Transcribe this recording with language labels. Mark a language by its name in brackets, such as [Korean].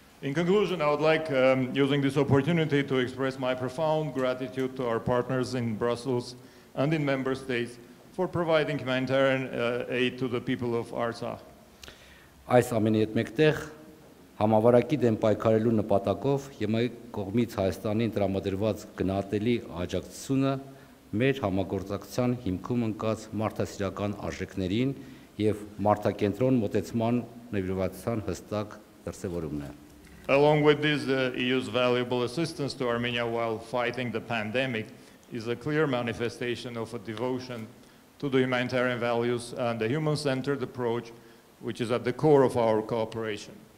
[English] In conclusion, I would like using this opportunity to express my profound gratitude to our partners in Brussels and in member states for providing humanitarian aid to the people of Artsakh. [Armenian] Այս ամենի հետ մեկտեղ համավարակի դեմ պայքարելու նպատակով ԵՄ-ի կողմից Հայաստանին տրամադրված գնահատելի աջակցությունը մեր համագործակցության հիմքում ընկած մարդասիրական արժեքներին եւ մարդակենտրոն մոտեցման նվիրվածության հստակ դրսեւորումն է։ [English] Along with this, the EU's valuable assistance to Armenia while fighting the pandemic is a clear manifestation of a devotion to the humanitarian values and the human-centered approach which is at the core of our cooperation.